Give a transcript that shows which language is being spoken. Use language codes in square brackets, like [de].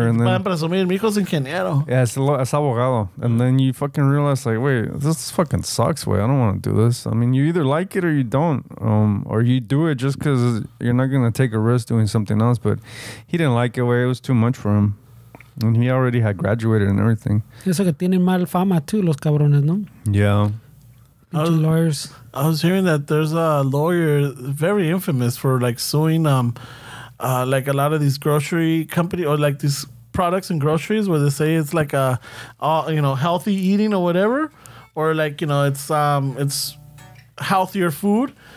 [en] And then [es] presumir, mi hijo's ingeniero. [en] Yeah, [es] es abogado, [en] and then you fucking realize like, wait, this fucking sucks. Way, I don't want to do this. I mean, you either like it or you don't, or you do it just because you're not going to take a risk doing something else. But he didn't like it, it was too much for him. And he already had graduated and everything. [es] Eso que tienen mal fama too, los cabrones, ¿no? [en] Yeah. Lawyers. I was hearing that there's a lawyer very infamous for like suing like a lot of these grocery company or like these products and groceries where they say it's like healthy eating or whatever. Or like, you know, it's healthier food.